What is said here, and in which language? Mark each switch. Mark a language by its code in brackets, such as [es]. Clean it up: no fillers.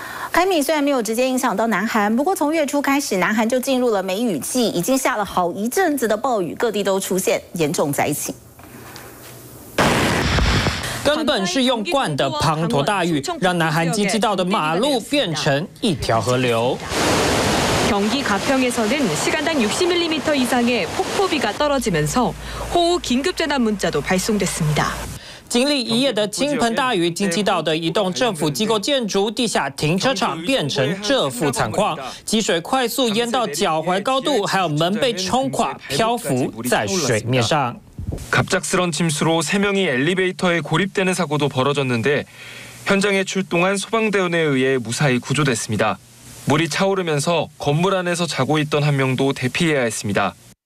[zh] 凯米虽然没有直接影响到南韩，不过从月初开始，南韩就进入了梅雨季，已经下了好一阵子的暴雨，各地都出现严重灾情。根本是用灌的滂沱大雨，让南韩京畿道的马路变成一条河流。 [ko] 경기가평에서는시간당60mm 이상의폭포비가떨어지면서호우긴급재난문자도발송됐습니다。 [zh] 经历一夜的倾盆大雨，京畿道的一栋政府机构建筑地下停车场变成这副惨况，积水快速淹到脚踝高度，还有门被冲垮，漂浮在水面上。 [ko] 갑작스런침수로세명이엘리베이터에고립되는사고도벌어졌는데현장에출동한소방대원에의해무사히구조됐습니다물이차오르면서건물안에서자고있던한명도대피해야했습니다